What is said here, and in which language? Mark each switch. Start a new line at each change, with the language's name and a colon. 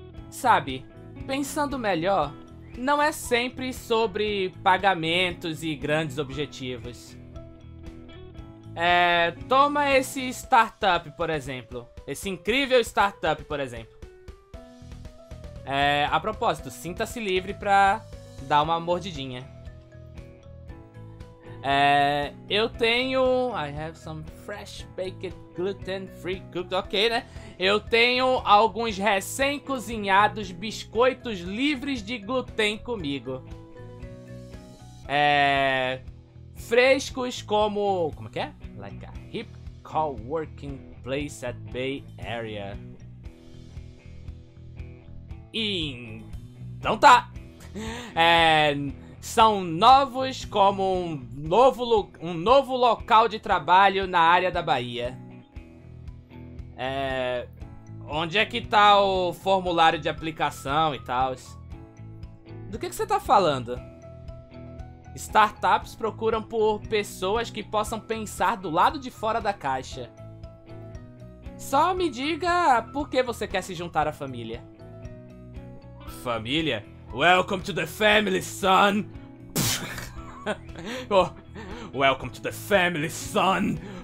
Portuguese: Sabe, pensando melhor, não é sempre sobre pagamentos e grandes objetivos. Toma esse startup, por exemplo. Esse incrível startup, por exemplo. A propósito, sinta-se livre pra dar uma mordidinha. Eu tenho.
English: I have some fresh baked gluten-free cookies.
Portuguese: Ok, né? Eu tenho alguns recém-cozinhados biscoitos livres de glúten comigo. Frescos como. Como é que é?
English: Like a hip co-working place at Bay Area.
Portuguese: Então tá. São novos como um novo local de trabalho na área da Bahia. Onde é que tá o formulário de aplicação e tal? Do que você tá falando? Startups procuram por pessoas que possam pensar do lado de fora da caixa. Só me diga por que você quer se juntar à família. Família?
English: Welcome to the family, son! Oh. Welcome to the family, son!